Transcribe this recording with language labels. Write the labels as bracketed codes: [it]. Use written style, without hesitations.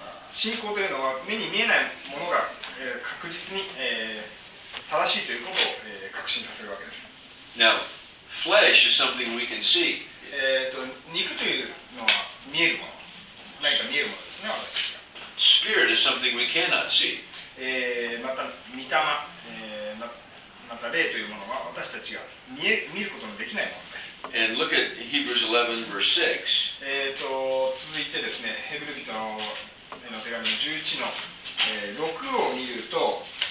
[ja] 信仰というのは目に見えないものが、確実に、正しいということを、確信させるわけです。 [en] Now, flesh is something we can see. [ja] 肉というのは見えるもの、何か見えるものですね、私たちが。 [en] Spirit is something we cannot see. [ja] また、御霊、また霊というものは私たちが見ることのできないものです。 [en] And look at Hebrews 11, verse 6. [ja] 続いてですね、ヘブル人の手紙の11の、6を見ると、